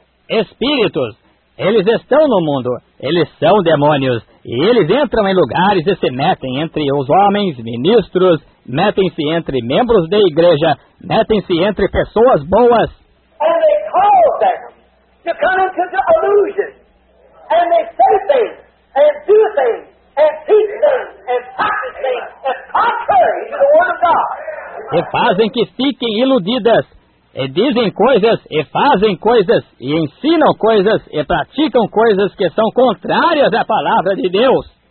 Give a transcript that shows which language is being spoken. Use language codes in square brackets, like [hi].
[pt] Espíritos, eles estão no mundo, eles são demônios, e eles entram em lugares e se metem entre os homens, ministros, metem-se entre membros da igreja, metem-se entre pessoas boas. [en] And they call them to come into the illusion, and they say things, and do things, and teach things, and practice things, and contrary to the word of God. [pt] E fazem que fiquem iludidas, e dizem coisas, e fazem coisas, e ensinam coisas, e praticam coisas que são contrárias à palavra de Deus.